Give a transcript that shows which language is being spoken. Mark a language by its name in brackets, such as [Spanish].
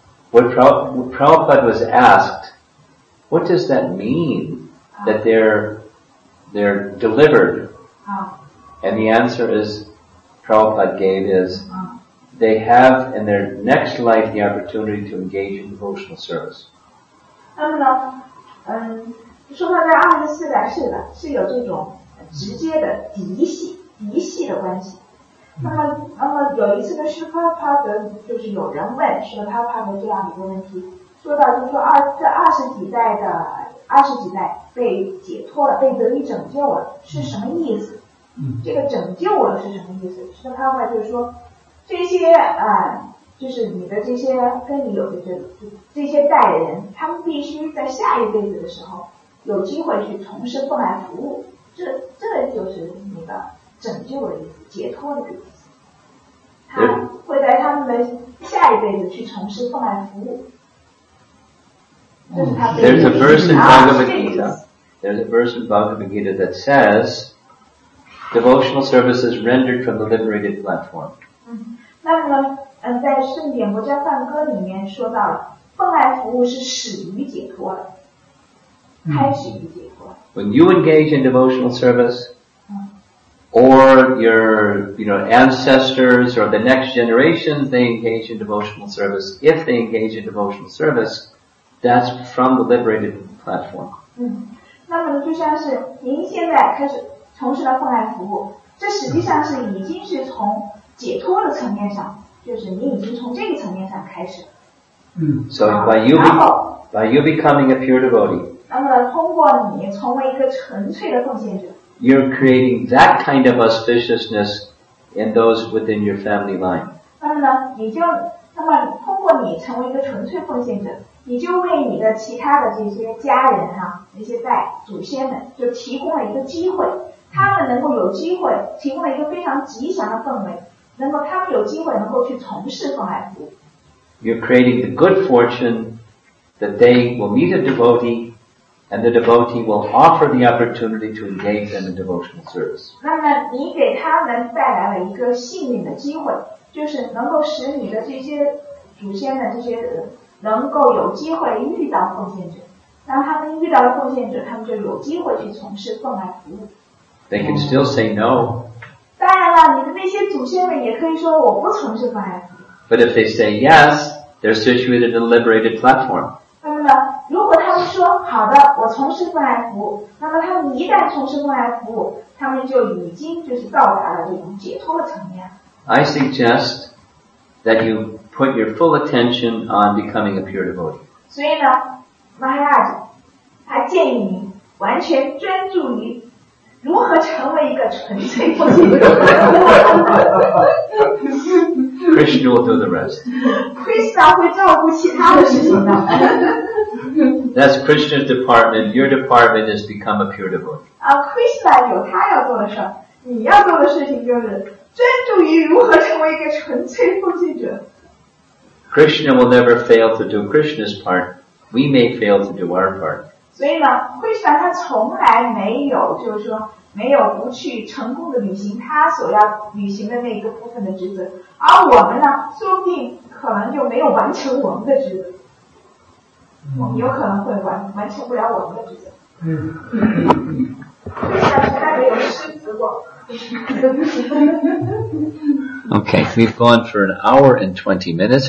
[English] What Prabhupada was asked, what does that mean that they're delivered? And the answer is, Prabhupada gave is,they have in their next life the opportunity to engage in devotional service. [Chinese] 那么呢，说到在二十四代是有这种直接的嫡系的关系。那么有一次呢，释迦帕德就是有人问释迦帕德这样一个问题，说到就是说二十几代被解脱了，被得以拯救了，是什么意思？这个拯救了是什么意思？释迦帕德就是说。这些就是你的这些跟你有的这些代人，他们必须在下一辈子的时候有机会去重生过来服务，这就是你的拯救的意思，解脱的意思。他会在他们的下一辈子去重生过来服务。 [English] There's a verse in Bhagavad Gita. There's a verse in Bhagavad Gita that says, devotional service is rendered from the liberated platform. [Chinese] 那么呢，在圣典佛教梵歌里面说到了，奉爱服务是始于解脱的，开始于解脱。 [English] When you engage in devotional service, or your, you know, ancestors or the next generations, they engage in devotional service. If they engage in devotional service, that's from the liberated platform. [Chinese] 那么呢，就像是您现在开始从事了奉爱服务，这实际上是已经是从解脱的层面上，就是你已经从这个层面上开始。 [English] So by you becoming a pure devotee, [Chinese] 那么通过你成为一个纯粹的奉献者， [English] you're creating that kind of auspiciousness in those within your family line. [Chinese] 那么呢，你就那么通过你成为一个纯粹奉献者，你就为你的其他的这些家人哈、啊，那些在祖先们就提供了一个机会，他们能够有机会提供了一个非常吉祥的氛围，能够他们有机会能够去从事奉爱服务。 [English] You're creating the good fortune that they will meet a devotee, and the devotee will offer the opportunity to engage them in devotional service. [Chinese] 那么你给他们带来了一个幸运的机会，就是能够使你的这些祖先的这些人能够有机会遇到奉献者，当他们遇到了奉献者，他们就有机会去从事奉爱服务。 [English] They can still say no. [Chinese] 当然了，你的那些祖先们也可以说我不从事奉爱服务。 [English] But if they say yes, they're situated in a liberated platform. [Chinese] 那么，如果他们说好的，我从事奉爱服务，那么他们一旦从事奉爱服务，他们就已经就是到达了这种解脱的层面。 [English] I suggest that you. Put your full attention on becoming a pure devotee. [Chinese] 所以呢 Maharaj 他建议你完全专注于如何成为一个纯粹奉献者。 [English] Krishna will do the rest. [Chinese] Krishna 会照顾其他的事情的。 [English] That's Krishna's department. Your department is become a pure devotee. [Chinese] Krishna 有他要做的事儿，你要做的事情就是专注于如何成为一个纯粹奉献者。 [English] Krishna will never fail to do Krishna's part. We may fail to do our part. [Chinese] 所以呢 ，Krishna 他从来没有就是说没有不去成功的履行他所要履行的那一个部分的职责，而我们呢，说不定可能就没有完成我们的职责，我们有可能会完成不了我们的职责。 [English] Okay, we've gone for an hour and 20 minutes.